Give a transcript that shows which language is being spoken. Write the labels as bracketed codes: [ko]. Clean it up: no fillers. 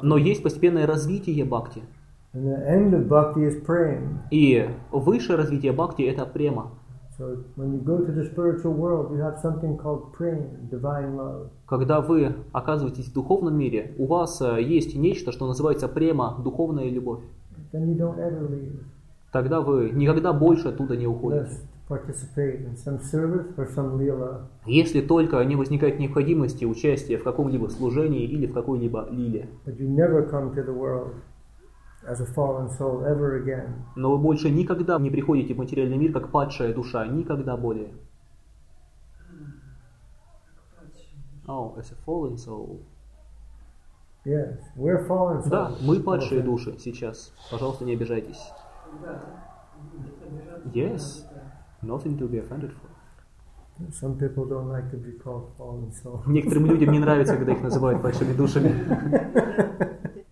[ru] Но есть постепенное развитие бхакти. [en] And the end of bhakti is praying. [ru] И высшее развитие бхакти это према. [en] So when you go to the spiritual world, you have something called prem, divine love. [ru] Когда вы оказываетесь в духовном мире, у вас есть нечто, что называется према, духовная любовь. [en] Then you don't ever leave. [ru] Тогда вы никогда больше оттуда не уходите. [en] Participate in some service or some lila. [ru] Если только не возникает необходимости участия в каком-либо служении или в какой-либо лиле. [en] But you never come to the world as a fallen soul ever again. [ru] Но вы больше никогда не приходите в материальный мир как падшая душа, никогда более. [en] Oh, as a fallen soul. Yes, we're fallen souls. [ru] Да, мы падшие души сейчас. Пожалуйста, не обижайтесь. [en] Yes. Nothing to be offended for. Some people don't like to be called fallen souls. [ru] Некоторым людям не нравится, когда их называют большими душами.